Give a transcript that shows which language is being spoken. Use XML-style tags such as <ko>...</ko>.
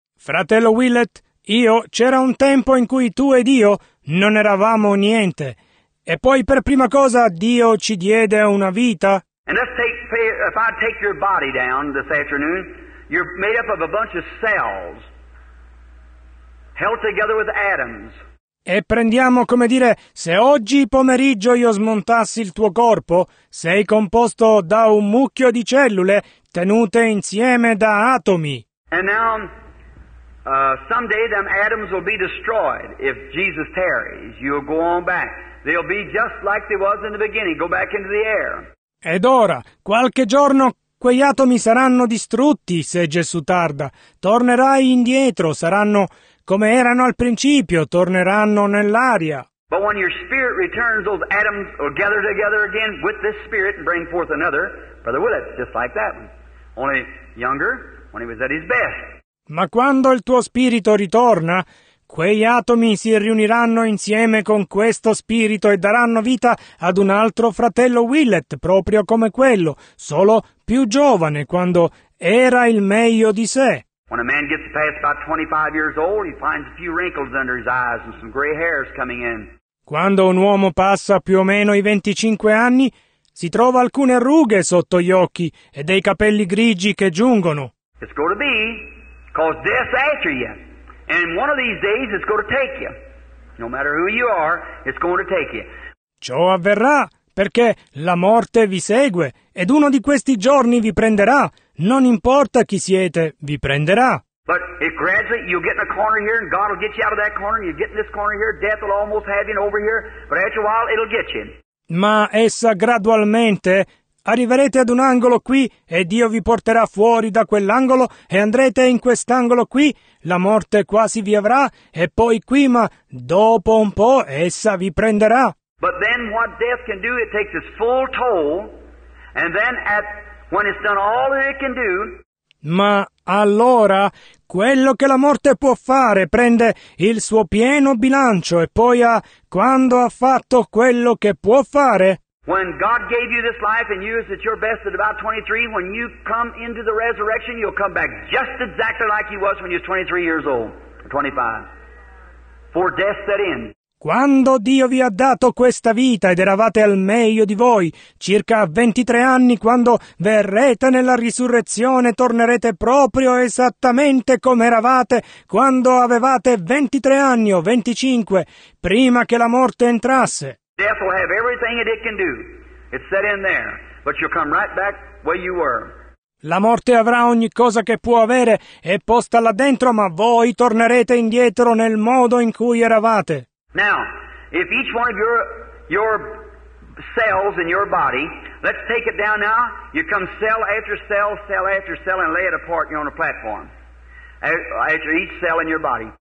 <it>Fratello Willett, io c'era un tempo in cui tu ed io non eravamo niente. E poi per prima cosa Dio ci diede una vita.</it> <en>And let's take, if I take your body down this afternoon, you're made up of a bunch of cells held together with atoms.</en> <it>E prendiamo come dire, se oggi pomeriggio io smontassi il tuo corpo, sei composto da un mucchio di cellule tenute insieme da atomi.</it> <en>And now, someday them atoms will be destroyed if Jesus tarries. You'll go on back. They'll be just like they was in the beginning, go back into the air.</en> <it>Ed ora, qualche giorno quegli atomi saranno distrutti se Gesù tarda. Tornerai indietro, saranno come erano al principio, torneranno nell'aria.</it> <en>But when your spirit returns, those atoms will gather together again with this spirit and bring forth another, Brother Willett, just like that one. Only younger, when he was at his best.</en> <it>Ma quando il tuo spirito ritorna, quegli atomi si riuniranno insieme con questo spirito e daranno vita ad un altro fratello Willett, proprio come quello, solo più giovane, quando era il meglio di sé.</it> <en>When a man gets past about 25 years old, he finds a few wrinkles under his eyes and some gray hairs coming in.</en> <it>Quando un uomo passa più o meno i 25 anni, si trova alcune rughe sotto gli occhi e dei capelli grigi che giungono.</it> <en>It's going to be, cause death's after you. And one of these days it's going to take you. No matter who you are, it's going to take you.</en> <it>Ciò avverrà perché la morte vi segue ed uno di questi giorni vi prenderà. Non importa chi siete, vi prenderà.</it> <en>But it gradually, you'll get in a corner here and God will get you out of that corner. You get in this corner here, death will almost have you over here. But after a while, it'll get you.</en> <it>Ma essa gradualmente arriverete ad un angolo qui e Dio vi porterà fuori da quell'angolo e andrete in quest'angolo qui, la morte quasi vi avrà e poi qui, ma dopo un po' essa vi prenderà.</it> <en>But then what death can do, it takes its full toll, and then at when it's done all that it can do.</en> <it>Ma allora quello che la morte può fare prende il suo pieno bilancio e poi quando ha fatto quello che può fare.</it> <en>When God gave you this life and you was at your best at about 23, when you come into the resurrection, you'll come back just exactly like you was when you were 23 years old, or 25. For death set in.</en> <it>Quando Dio vi ha dato questa vita ed eravate al meglio di voi, circa 23 anni, quando verrete nella risurrezione, tornerete proprio esattamente come eravate quando avevate 23 anni o 25, prima che la morte entrasse.</it> <en>Death will have everything that it can do. It's set in there, but you'll come right back where you were.</en> <it>La morte avrà ogni cosa che può avere è posta là dentro, ma voi tornerete indietro nel modo in cui eravate.</it> <en>Now, if each one of your cells in your body, let's take it down now. You come cell after cell, cell after cell, and lay it apart on a platform. After each cell in your body.</en>